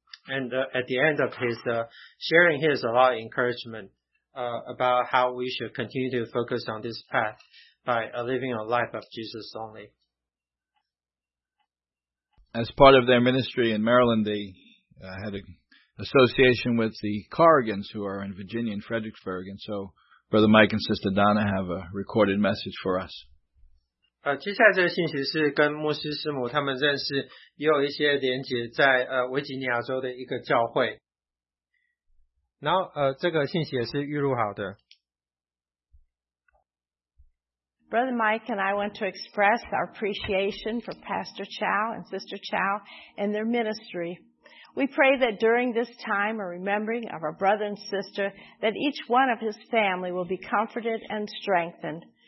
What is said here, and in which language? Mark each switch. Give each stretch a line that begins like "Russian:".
English: And at the end of his sharing, he has a lot of encouragement about how we should continue to focus on this path by living a life of Jesus only. As part of their ministry in Maryland, they had an association with the Corrigans, who are in Virginia and Fredericksburg. And so Brother Mike and Sister Donna have a recorded message for us.
Chinese: 接下来这个信息是跟牧师师母他们认识，也有一些连结在维吉尼亚州的一个教会。然后这个信息也是预录好的。
English: Brother Mike and I want to express our appreciation for Pastor Chow and Sister Chow and their ministry. We pray that during this time of remembering of our brother and sister, that each one of his family will be comforted and strengthened.